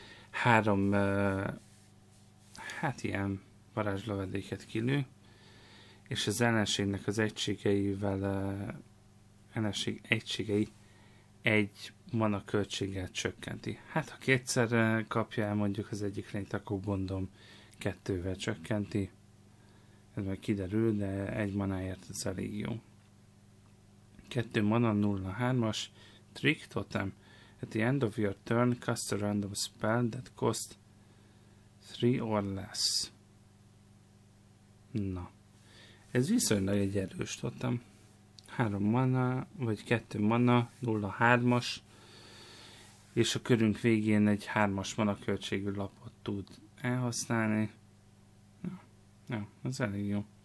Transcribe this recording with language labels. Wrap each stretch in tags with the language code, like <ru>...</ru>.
<hu>3 hát ilyen varázslövedéket kilő, és az ellenségnek az egységeivel ellenség egységei egy mana költséggel csökkenti. Hát ha kétszer kapja el mondjuk az egyik lényt, akkor gondolom 2-vel csökkenti. Ez meg kiderül, de egy manáért ez elég jó. 2 mana, 0-3-as, Trick Totem.</hu> <en>At the end of your turn, cast a random spell that cost 3 or less.</en> <hu>Na. Ez viszonylag egy erős totem. 3 mana, vagy 2 mana, 0-3-as, és a körünk végén egy 3-as mana költségű lapot tud elhasználni. Ja, ez elég jó.</hu>